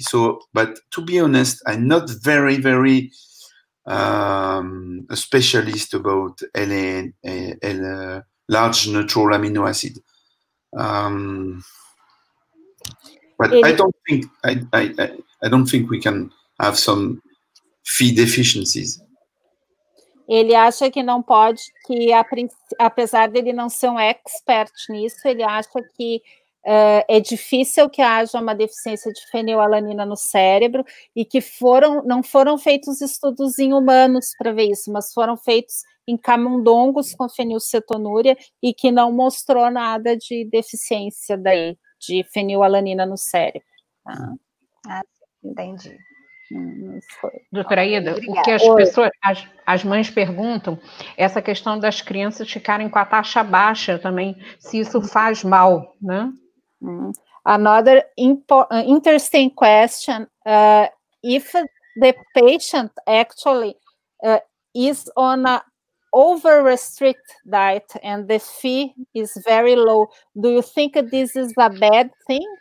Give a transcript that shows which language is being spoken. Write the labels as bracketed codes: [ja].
[en] So, but to be honest, I'm not very, very a specialist about large neutral amino acid. But I don't think we can have some phi deficiencies. [pt] Ele acha que não pode, que apesar dele não ser um expert nisso, ele acha que é difícil que haja uma deficiência de fenilalanina no cérebro e que não foram feitos estudos em humanos para ver isso, mas foram feitos em camundongos com fenilcetonúria e que não mostrou nada de deficiência daí, de fenilalanina no cérebro. Entendi. Doutora Ida, obrigada. O que as pessoas, as mães perguntam, essa questão das crianças ficarem com a taxa baixa também, se isso faz mal, né? [en] Another interesting question, if the patient actually is on a over-restrict diet and the Phe is very low, do you think this is a bad thing?